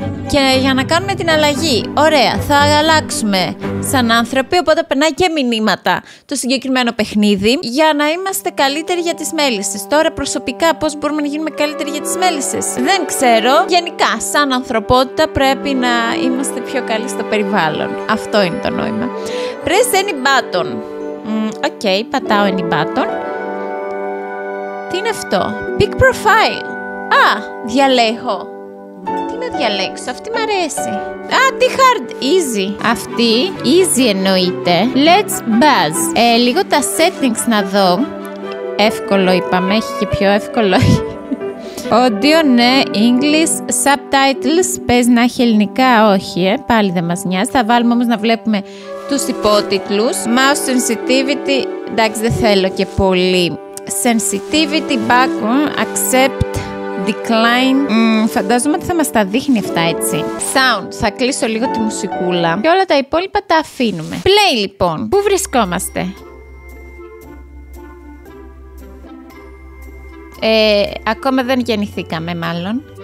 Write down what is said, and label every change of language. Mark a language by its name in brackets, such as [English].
[Greek] Και για να κάνουμε την αλλαγή, ωραία, θα αλλάξουμε σαν άνθρωποι, οπότε περνάει και μηνύματα το συγκεκριμένο παιχνίδι για να είμαστε καλύτεροι για τις μέλισσες. Τώρα προσωπικά πώς μπορούμε να γίνουμε καλύτεροι για τις μέλισσες? Δεν ξέρω, γενικά σαν ανθρωπότητα πρέπει να είμαστε πιο καλοί στο περιβάλλον. Αυτό είναι το νόημα. [English] Press any button. [Greek] Okay, πατάω any button. Τι είναι αυτό? [English] Pick profile. [Greek] Α, διαλέγω. Διαλέξω. Αυτή μ' αρέσει. Α, τι hard, easy. Αυτή, easy εννοείται. [English] Let's buzz. [Greek] Λίγο τα settings να δω. Εύκολο είπαμε, έχει και πιο εύκολο. Audio, ναι, English, subtitles, πες να έχει ελληνικά, όχι, πάλι δεν μας νοιάζει. Θα βάλουμε όμως να βλέπουμε τους υπότιτλους. Mouse sensitivity, εντάξει δεν θέλω και πολύ. [English] Sensitivity, back, accept. Decline. [Greek] Φαντάζομαι ότι θα μας τα δείχνει αυτά έτσι. Sound. Θα κλείσω λίγο τη μουσικούλα. Και όλα τα υπόλοιπα τα αφήνουμε. Play λοιπόν. Πού βρισκόμαστε? Ακόμα δεν γεννηθήκαμε μάλλον.